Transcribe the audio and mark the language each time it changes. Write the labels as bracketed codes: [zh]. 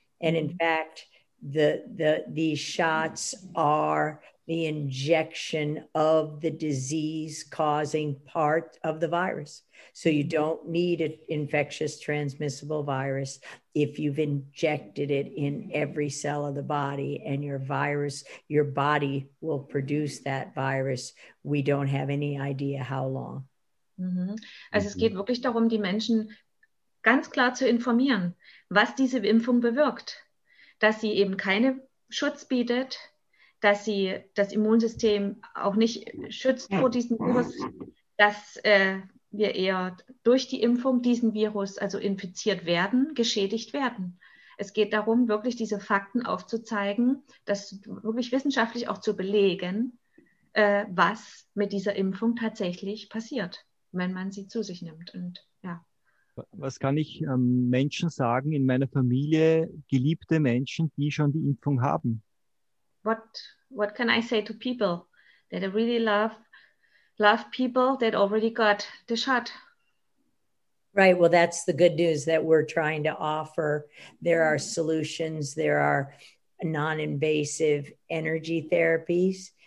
[en] And in fact, the shots are the injection of the disease causing part of the virus. So you don't need an infectious transmissible virus if you've injected it in every cell of the body and your virus, your body will produce that virus. We don't have any idea how long. Mm-hmm. [de] Also es geht wirklich darum, die Menschen ganz klar zu informieren, was diese Impfung bewirkt, dass sie eben keine Schutz bietet, dass sie das Immunsystem auch nicht schützt vor diesem Virus, dass wir eher durch die Impfung diesen Virus, also infiziert werden, geschädigt werden. Es geht darum, wirklich diese Fakten aufzuzeigen, das wirklich wissenschaftlich auch zu belegen, was mit dieser Impfung tatsächlich passiert, wenn man sie zu sich nimmt. Und ja. Was kann ich Menschen sagen in meiner Familie, geliebte Menschen, die schon die Impfung haben? [en] What can I say to people that I really love people that already got the shot? Right, well, that's the good news that we're trying to offer. There are solutions. There are non-invasive energy therapies.